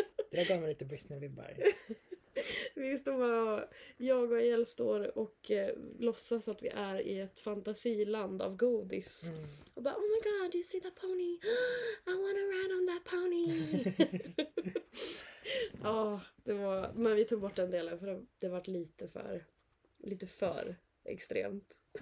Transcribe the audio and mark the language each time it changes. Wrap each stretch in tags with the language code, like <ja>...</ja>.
<sv>Det där gav mig lite Britney-vibbar. Vi står bara och jag och El står och låtsas att vi är i ett fantasiland av godis. Mm. Och bara,</sv> <en>oh my god, do you see that pony? I wanna ride on that pony.</en> <sv>Ja, det var, men vi tog bort den delen för det var lite för extremt.</sv>